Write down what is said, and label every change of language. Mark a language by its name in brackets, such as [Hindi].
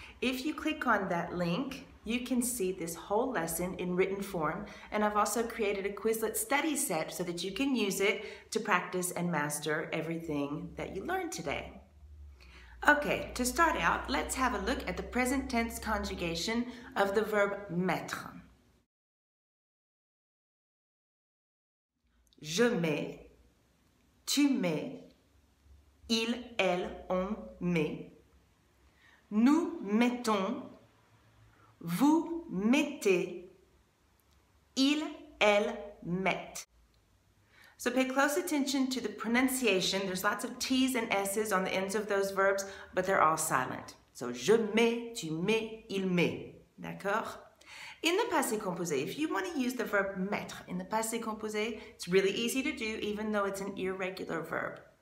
[English] If you click on that link, you can see this whole lesson in written form, and I've also created a Quizlet study set so that you can use it to practice and master everything that you learned today. Okay, to start out, let's have a look at the present tense conjugation of the verb mettre. [French] Je mets, tu mets, il, elle, on met, nous mettons, vous mettez, ils, elles mettent. [English] So pay close attention to the pronunciation. There's lots of T's and S's on the ends of those verbs, but they're all silent. So [French] je mets, tu mets, il met. D'accord? [English] In the passé composé, if you want to use the verb mettre in the passé composé, it's really easy to do, even though it's an irregular verb.